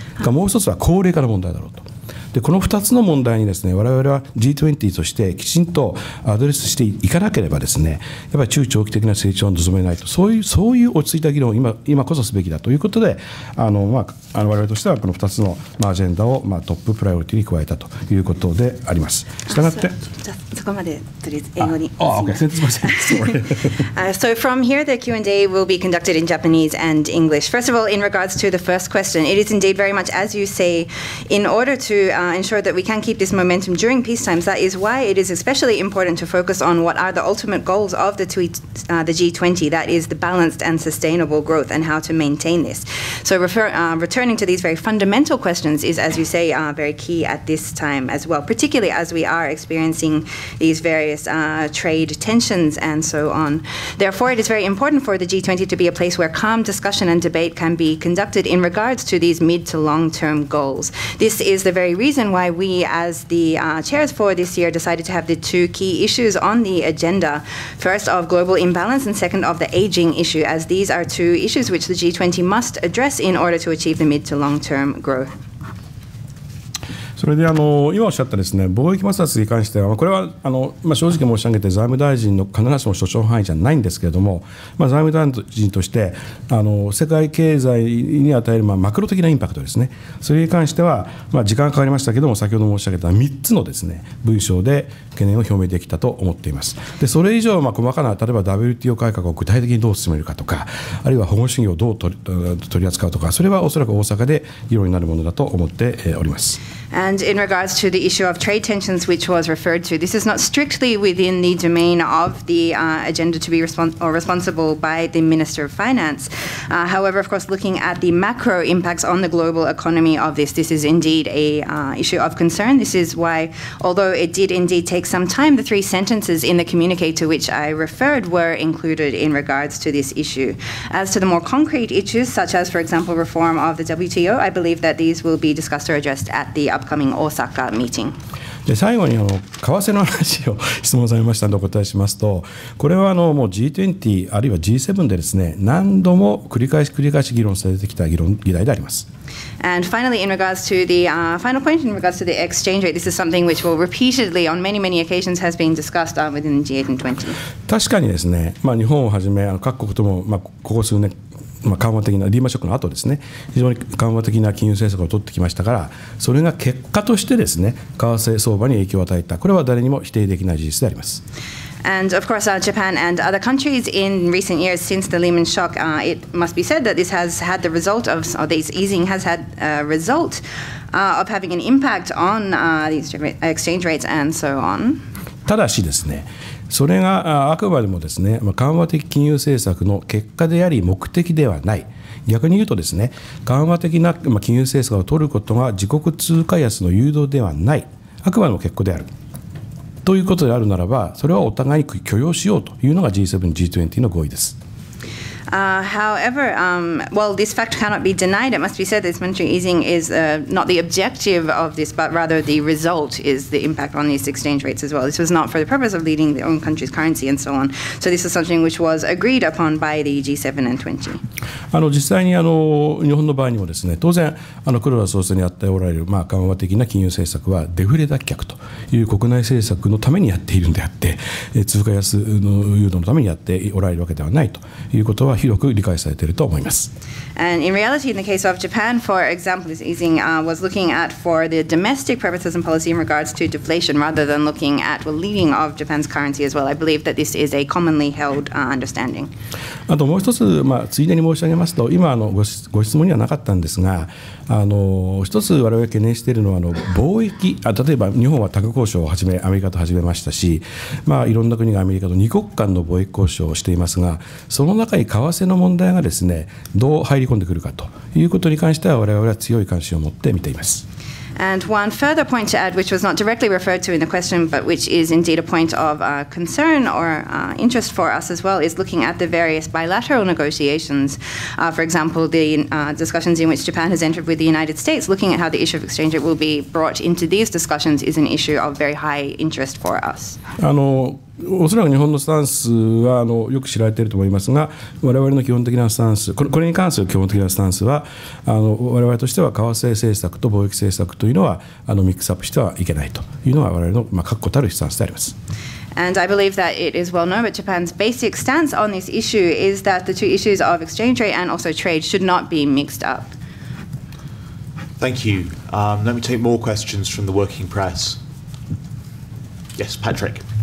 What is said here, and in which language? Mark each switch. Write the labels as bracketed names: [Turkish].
[Japanese] もう一つは高齢化の問題だろうと。でこの2つの問題にですね我々は G20 としてきちんとアドレスしていかなければですね、やっぱり中長期的な成長を望めないと、そういう落ち着いた議論を 今こそすべきだということで、まあ、我々としてはこの2つの、まあ、アジェンダを、まあ、トッププライオリティに加えたということであります。したがってそこまでとりあえず英語に。あ、すみません。 [English] So from here, the Q&A will be conducted in Japanese and English. First of all, in regards to the first question, it is indeed very much as you say, in order toensure that we can keep this momentum during peace times. That is why it is especially important to focus on what are the ultimate goals of the G20, that is the balanced and sustainable growth and how to maintain this. So returning to these very fundamental questions is, as you say, very key at this time as well, particularly as we are experiencing these various trade tensions and so on. Therefore, it is very important for the G20 to be a place where calm discussion and debate can be conducted in regards to these mid to long-term goals. This is the very reason why we as the chairs for this year decided to have the two key issues on the agenda, first of global imbalance and second of the aging issue, as these are two issues which the G20 must address in order to achieve the mid to long term growth. [Japanese] それで今おっしゃったですね貿易摩擦に関しては、これは正直申し上げて財務大臣の必ずしも所掌範囲じゃないんですけれども、まあ財務大臣として世界経済に与えるまあマクロ的なインパクトですね、それに関してはまあ時間がかかりましたけども、先ほど申し上げた3つのですね文章で懸念を表明できたと思っています。でそれ以上まあ細かな、例えば WTO 改革を具体的にどう進めるかとか、あるいは保護主義をどう取り扱うとか、それはおそらく大阪で議論になるものだと思っております。 [English] And in regards to the issue of trade tensions, which was referred to, this is not strictly within the domain of the agenda to be responsible by the Minister of Finance. However, of course, looking at the macro impacts on the global economy of this is indeed a issue of concern. This is why, although it did indeed take some time, the three sentences in the communique to which I referred were included in regards to this issue. As to the more concrete issues, such as, for example, reform of the WTO, I believe that these will be discussed or addressed at the upcoming Osaka meeting. [Japanese] で最後に為替の話を質問されましたのでお答えしますと、これはもう G20 あるいは G7 でですね何度も繰り返し議論されてきた議題であります。 [English] And finally in regards to the final point in regards to the exchange rate, this is something which will repeatedly on many many occasions has been discussed within G8 and 20. [Japanese] 確かにですね、まあ、日本をはじめ各国とも、まあ、ここ数年まあ、緩和的なリーマンショックの後ですね、非常に緩和的な金融政策を取ってきましたから、それが結果としてですね為替相場に影響を与えた、これは誰にも否定できない事実であります。 [English] And of course, Japan and other countries in recent years since the Lehman shock, it must be said that this has had the result of, or this easing has had a result of having an impact on these exchange rates and so on. [Japanese] ただしですね、それがあくまでもですね、緩和的金融政策の結果であり目的ではない。逆に言うとですね、緩和的な金融政策を取ることが自国通貨安の誘導ではない、あくまでも結果であるということであるならば、それはお互いに許容しようというのが G7、G20 の合意です。 [English] However, well, this fact cannot be denied. It must be said this monetary easing is not the objective of this, but rather the result is the impact on these exchange rates as well. This was not for the purpose of leading the own country's currency and so on. So this is something which was agreed upon by the G7 and 20. [Japanese] 実際に日本の場合にもですね、当然黒田総裁にあっておられる、まあ、緩和的な金融政策はデフレ脱却という国内政策のためにやっているんであって、通貨安の誘導のためにやっておられるわけではないということは、は広く理解されていると思います。 [English] And in reality, in the case of Japan, for example, this easing was looking at for the domestic purposes and policy in regards to deflation rather than looking at the leading of Japan's currency as well. I believe that this is a commonly held understanding. [Japanese] あともう一つ、まあ、ついでに申し上げますと、今のご質問にはなかったんですが、一つ我々が懸念しているのは貿易、例えば日本は多国交渉をはじめアメリカと始めましたし、まあ、いろんな国がアメリカと二国間の貿易交渉をしていますが、その中に為替の問題がですね、どう入り込んでくるかということに関しては我々は強い関心を持って見ています。 [English] And one further point to add, which was not directly referred to in the question, but which is indeed a point of concern or interest for us as well, is looking at the various bilateral negotiations. For example, the discussions in which Japan has entered with the United States, looking at how the issue of exchange rate will be brought into these discussions is an issue of very high interest for us. [Japanese] おそらく日本のスタンスはよく知られていると思いますが、我々の基本的なスタンス、これに関する基本的なスタンスは、我々としては為替政策と貿易政策というのはミックスアップしてはいけないというのは我々の確固たるスタンスであります。 [English] And I believe that it is well known, but Japan's basic stance on this issue is that the two issues of exchange rate and also trade should not be mixed up. Thank you. Let me take more questions from the working press. Yes, Patrick.